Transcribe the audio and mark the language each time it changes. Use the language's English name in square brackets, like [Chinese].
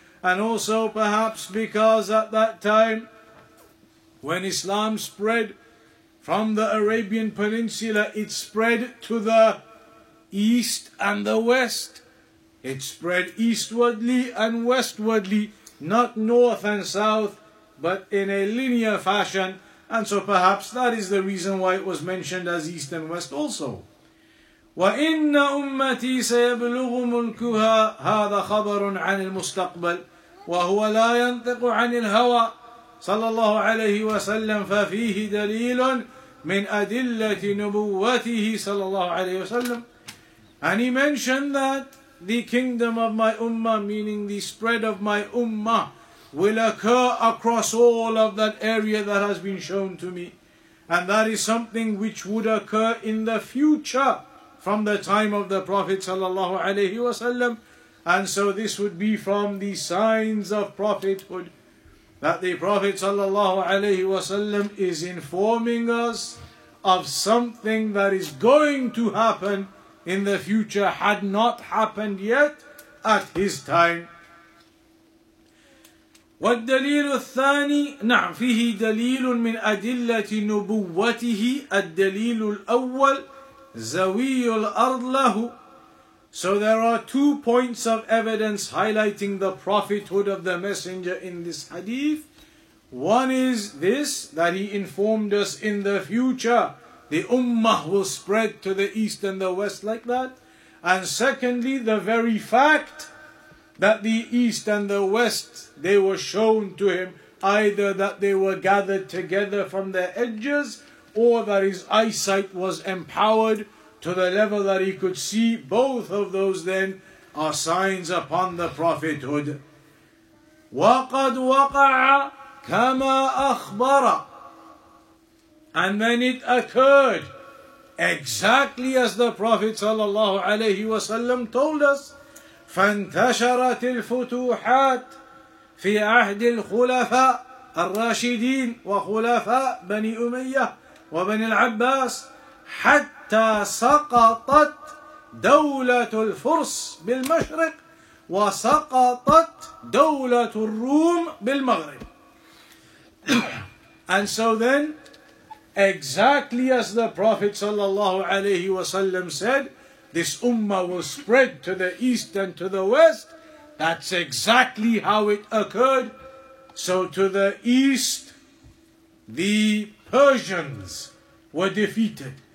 [English] And also perhaps because at that time when Islam spread from the Arabian Peninsula, it spread to the east and the west. It spread eastwardly and westwardly, not north and south, but in a linear fashion. And so perhaps that is the reason why it was mentioned as east and west also. [Arabic] وَإِنَّ أُمَّتِي سَيَبْلُغُ مُلْكُهَا هَذَا خَبَرٌ عَنِ الْمُسْتَقْبَلِ وَهُوَ لَا يَنْطِقُ عَنِ الْهَوَى صلى الله عليه وسلم ففيه دليل من أدلة نبوته صلى الله عليه وسلم. [English] And he mentioned that the kingdom of my ummah, meaning the spread of my ummah, will occur across all of that area that has been shown to me. And that is something which would occur in the future from the time of the Prophet sallallahu alayhi wa sallam. And so this would be from the signs of prophethood, that the Prophet sallallahu alayhi wa sallam is informing us of something that is going to happen in the future, had not happened yet at his time. [Arabic] والدليل الثاني نعم فيه دليل من أدلة نبوته الدليل الأول زوي الأرض له. [English] So there are two points of evidence highlighting the prophethood of the messenger in this hadith. One is this, that he informed us in the future the ummah will spread to the east and the west like that. And secondly, the very fact that the east and the west, they were shown to him, either that they were gathered together from their edges, or that his eyesight was empowered to the level that he could see, both of those then are signs upon the prophethood. [Arabic] وَقَدْ وَقَعَ كَمَا أَخْبَرَ. [English] And then it occurred exactly as the Prophet sallallahu alayhi wa sallam told us. [Arabic] فانتشرت الفتوحات في عهد الخلفاء الراشدين وخلفاء بني أمية وبني العباس حتى سقطت دولة الفرس بالمشرق وسقطت دولة الروم بالمغرب. [English] And so then, exactly as the Prophet sallallahu alayhi wa sallam said, this ummah will spread to the east and to the west. That's exactly how it occurred. So to the east, the Persians were defeated.